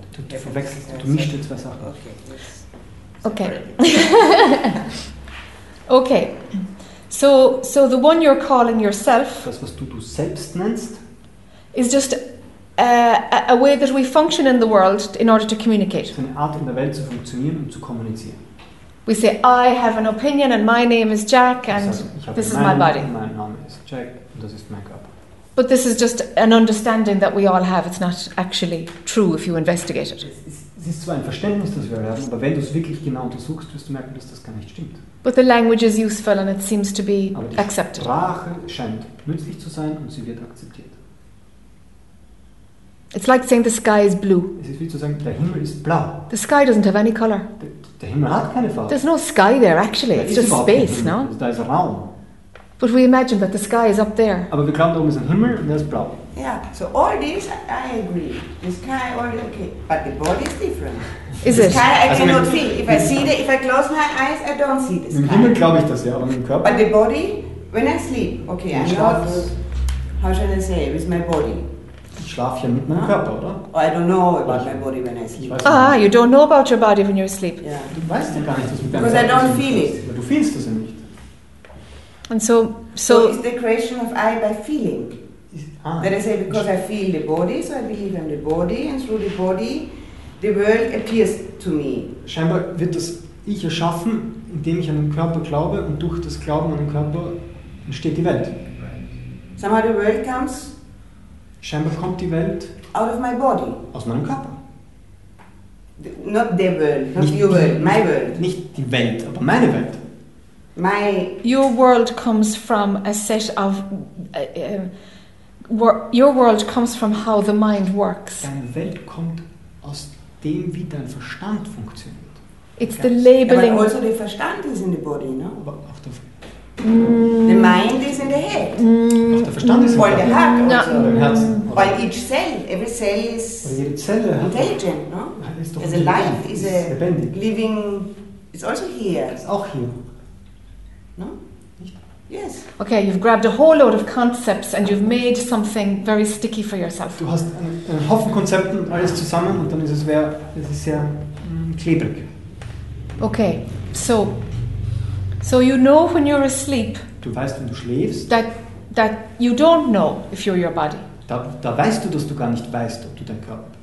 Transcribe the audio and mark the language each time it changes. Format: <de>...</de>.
<de>Du verwechselst, du mischst jetzt zwei Sachen.</de> <en>Okay. Okay. So the one you're calling yourself...</en> <de>Das, was du selbst nennst...</de> <en>...is just... a way that we function in the world in order to communicate.</en> <de>Eine Art, in der Welt zu funktionieren und zu kommunizieren.</de> <en>We say, I have an opinion and my name is Jack and this is my body.</en> <de>Mein Name ist Jack und das ist mein Körper.</de> <en>But this is just an understanding that we all have. It's not actually true if you investigate it.</en> <de>Es ist zwar ein Verständnis, das wir haben, aber wenn du es wirklich genau untersuchst, wirst du merken, dass das gar nicht stimmt.</de> <en>But the language is useful and it seems to be accepted.</en> <de>Aber die Sprache scheint nützlich zu sein und sie wird akzeptiert.</de> <en>It's like saying the sky is blue.</en> <de>Es ist wie zu sagen, der Himmel ist blau.</de> <en>The sky doesn't have any color.</en> <de>Der Himmel hat keine Farbe.</de> <en>There's no sky there, actually. It's just space, no?</en> <de>Da ist ein Raum.</de> <en>But we imagine that the sky is up there.</en> <de>Aber wir glauben, da oben ist ein Himmel und der ist blau.</de> <en>Yeah, so all this, I agree. The sky, all okay. But the body is different. Is the The sky, I also cannot see. If I see if I close my eyes, I don't see the sky.</en> <de>Im Himmel glaube ich das, ja, aber im Körper.</de> <en>But the body, when I sleep, okay, I'm not, how should I say, with my body.</en> <de>Ich schlafe ja mit meinem Körper, oder?</de> <en>I don't know about my body when I sleep. You don't know about your body when you sleep. Yeah.</en> <de>Du weißt ja gar nicht, was mit deinem Körper ist.</de> <en>Because I don't feel it.</en> <de>Du fühlst es ja nicht.</de> <en>And so is the creation of I by feeling. That I say, because I feel the body, so I believe in the body, and through the body, the world appears to me.</en> <de>Scheinbar wird das Ich erschaffen, indem ich an den Körper glaube, und durch das Glauben an den Körper entsteht die Welt.</de> <en>Right. Somehow the world comes...</en> <de>Scheinbar kommt die Welt</de> <en>out of my body.</en> <de>Aus meinem Körper.</de> <en>Not the world, not nicht your world, my world.</en> <de>Nicht die Welt, aber meine Welt.</de> <en>My your world comes from a set of your world comes from how the mind works. Deine Welt kommt aus dem, wie dein Verstand funktioniert. It's the labeling.</en> <de>Aber also der Verstand ist in</de> <en>the body, no?</en> <de>Aber auf der</de> <en>The mind is in the head.</en> <de>Auch der Verstand ist in der Hand. Oder im Herzen.</de> <en>Weil each cell, every cell is intelligent, no?</en> <de>Ja,</de> <en>as a life, is a</en> <de>lebendig.</de> <en>Living, it's also here.</en> <de>Ist auch hier.</de> <en>No? Yes. Okay, you've grabbed a whole load of concepts and you've made something very sticky for yourself.</en> <de>Du hast einen Haufen Konzepten und alles zusammen und dann ist es sehr klebrig.</de> <en>Okay, so... So you know when you're asleep.</en> <de>Du weißt, wenn du schläfst.</de> <en>That you don't know if you're your body.</en> <de>Da weißt du, dass du gar nicht weißt, ob du dein Körper bist.</de>